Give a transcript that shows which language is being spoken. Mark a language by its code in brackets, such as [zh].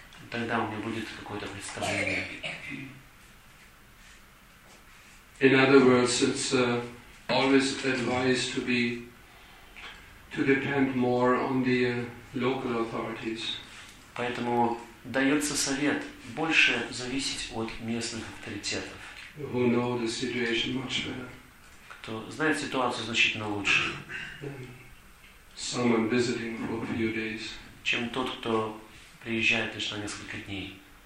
[ru] Тогда у меня будет какое-то представление. [en] In other words, it's always advised to depend more on the local authorities. [ru] Поэтому дается совет больше зависеть от местных авторитетов. [en] Who know the situation much better. [ru] То знает ситуацию значительно лучше, [en] someone visiting for a few days, [ru] чем тот, кто приезжает лишь на несколько дней.